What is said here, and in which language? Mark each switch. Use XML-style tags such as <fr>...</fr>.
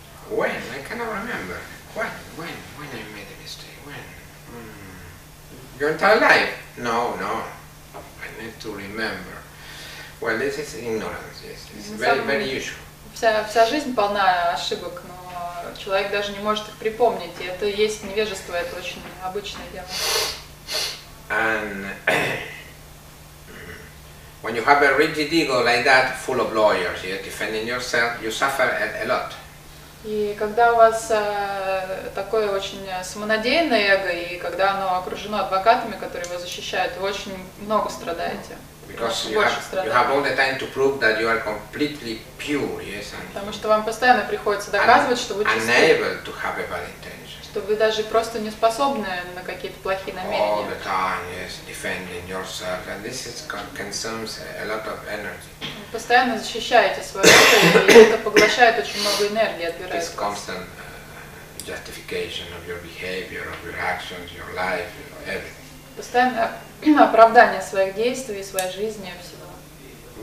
<en>When? I cannot remember. When I made a mistake? When? Your entire life? No. I need to remember. Well, this is ignorance, yes. It's very, very usual.</en> <ru>Вся жизнь полна ошибок, но человек даже не может их припомнить. И это есть невежество, это очень обычное дело.</ru> <en>And when you have a rigid ego like that, full of lawyers, you're defending yourself, you suffer a lot.</en> <ru>И когда у вас такое очень самонадеянное эго, и когда оно окружено адвокатами, которые его защищают, вы очень много страдаете.</ru> <en>Because you have all the time to prove that you are completely pure, yes.</en> <ru>Потому что вам постоянно приходится доказывать, что вы чисты.</ru> <en>Unable to have a bad intention.</en> <ru>Что вы даже просто не способны на какие-то плохие намерения.</ru> <en>All the time, yes, defending yourself, and this is consumes a lot of energy.</en> <ru>Постоянно защищаете свое эго, и это поглощает очень много энергии, отбирает.</ru> <en>This constant justification of your behavior, of your actions, your life, you know, everything.</en> <ru>Постоянное оправдание своих действий, своей жизни и всего.</ru>